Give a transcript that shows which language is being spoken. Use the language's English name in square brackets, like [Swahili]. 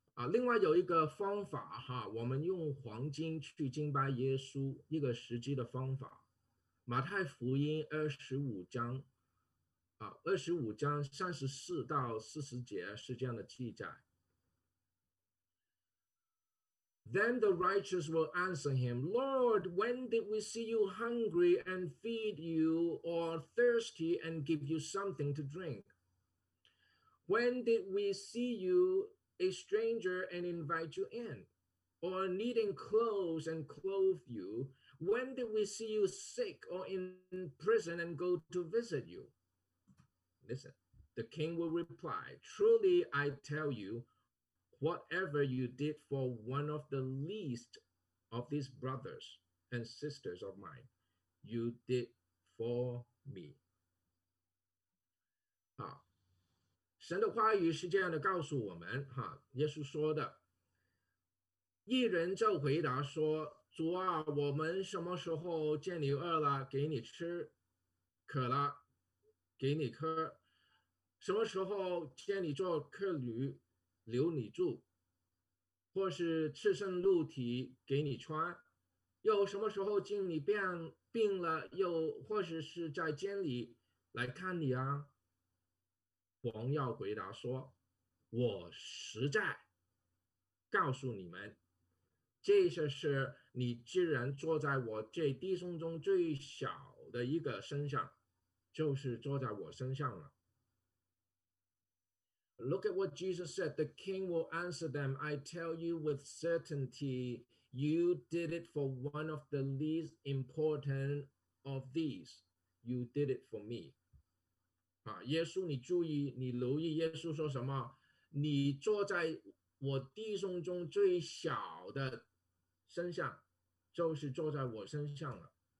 [Chinese] 另外有一个方法哈，我们用黄金去敬拜耶稣，一个实际的方法。马太福音25章34到40节是这样的记载。 [English] Then the righteous will answer him, Lord, when did we see you hungry and feed you, or thirsty and give you something to drink? When did we see you a stranger and invite you in? or needing clothes and clothe you? When did we see you sick or in prison and go to visit you? Listen, the king will reply, truly I tell you, whatever you did for one of the least of these brothers and sisters of mine, you did for me. [Chinese] 好，神的话语是这样的告诉我们，哈，耶稣说的。一人就回答说，主啊，我们什么时候见你饿了给你吃，渴了给你喝，什么时候见你做客旅留你住，或是赤身露体给你穿，又什么时候见你病了，又或者是在监里来看你啊？王耀回答说，我实在告诉你们，这些事你既然坐在我这弟兄中最小的一个身上，就是坐在我身上了。 [English] Look at what Jesus said. The king will answer them. I tell you with certainty, you did it for one of the least important of these. You did it for me. [Chinese] 啊，耶稣，你注意，你留意耶稣说什么？你坐在我弟兄中最小的身上，就是坐在我身上了。